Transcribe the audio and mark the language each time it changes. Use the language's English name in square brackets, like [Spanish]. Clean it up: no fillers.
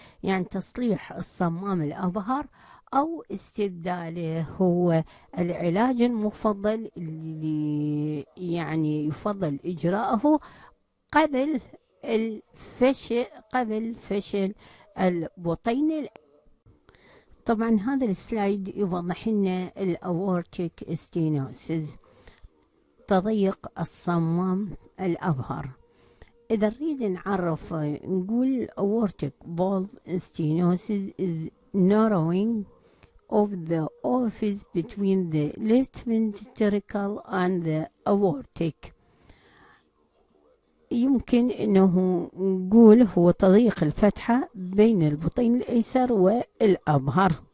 [Arabic] يعني تصليح الصمام الابهر او استبداله هو العلاج المفضل اللي يعني يفضل اجراءه قبل الفشل، قبل فشل البطين. طبعا هذا السلايد يوضح لنا الاورتيك استينوسيس تضيق الصمام الابهر. إذا نريد نعرف نقول [English] aortic valve stenosis is narrowing of the orifice between the left ventricle and the aortic. [Arabic] يمكن أنه نقول هو تضييق الفتحة بين البطين الأيسر والأبهر.